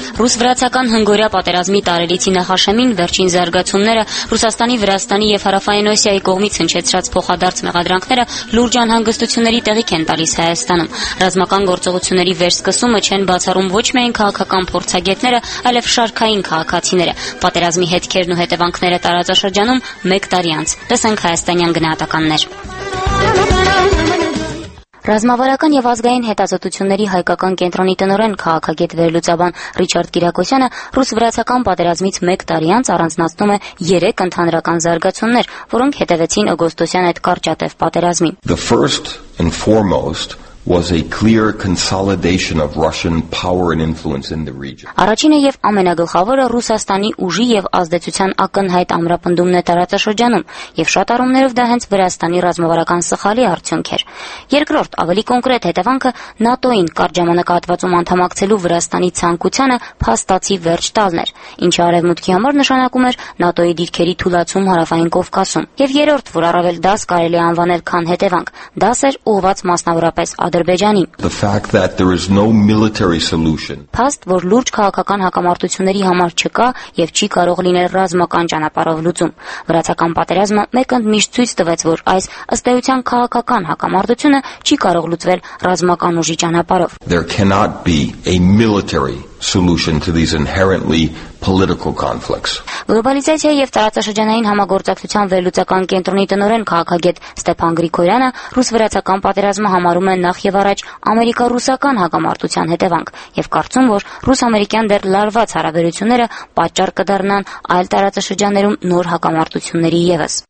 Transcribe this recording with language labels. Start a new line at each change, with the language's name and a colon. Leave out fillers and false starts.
Armenian: Ռուս-վրացական հնգորյա պատերազմի տարելիցի նախաշեմին վերջին զարգացումները Ռուսաստանի, Վրաստանի և Հարավային Օսիայի կողմից հնչեցրած փոխադարձ մեղադրանքները լուրջ անհանգստությունների տեղիք են տալիս Հայաստանում։ Ռազմական գործողությունների վերսկսումը չեն բացառում ոչ միայն քաղաքական փորձագետները, այլև շարքային քաղաքացիները։ Պատերազմի հետքերն ու հետևանքները տարածաշրջանում 1 տարի անց։ Տեսանք հայաստանյան գնահատականներ։ Ռազմավարական և ազգային հետազոտությունների հայկական կենտրոնի տնօրեն քաղաքագետ վերլուծաբան Ռիչարդ Կիրակոսյանը ռուս-վրացական պատերազմից 1 տարի անց առանձնացնում է 3 ընդհանրական զարգացումներ, որոնք հետևեցին օգոստոսյան այդ կարճատև պատերազմին։
English: The first and foremost was a clear consolidation of Russian power and influence in the region.
Armenian: Առաջինը եւ ամենագլխավորը Ռուսաստանի ուժի եւ ազդեցության ակնհայտ ամրապնդումն է տարածաշրջանում եւ շատ առումներով դա հենց Վրաստանի ռազմավարական սխալի արդյունք էր։ Երկրորդ, ավելի կոնկրետ հետևանքը ՆԱՏՕ-ին կարճամանակահատվածում անդամակցելու Վրաստանի ցանկությունը փաստացի վերջ տալն էր, ինչը արևմուտքի համար նշանակում էր ՆԱՏՕ-ի դիրքերի թուլացում Հարավային Կովկասում։ Եվ երրորդ, որ առավել դաս կարելի անվանել քան հետևանք, դաս էր ուղված մասնավորապես Ադրբեջանի.
English: The fact that there is no military solution.
Armenian: Փաստ, որ լուրջ քաղաքական հակամարտությունների համար չկա եւ չի կարող լինել ռազմական ճանապարհով լուծում։ Վրացական պատերազմը մեկ ընդ միշտ ցույց տվեց, որ այս ըստ էության քաղաքական հակամարտությունը չի կարող լուծվել ռազմական ուժի ճանապարհով։
English: There cannot be a military solution to these inherently political conflicts.
Armenian: Գլոբալիզացիա եւ տարածաշրջանային համագործակցության վերլուծական կենտրոնի տնօրեն քաղաքագետ Ստեփան Գրիգորյանը ռուս-վրացական պատերազմը համարում է նախ եւ առաջ ամերիկա-ռուսական հակամարտության հետևանք եւ կարծում, որ ռուս-ամերիկյան դեռ լարված հարաբերությունները պատճառ կդառնան այլ տարածաշրջաններում նոր հակամարտությունների եւս։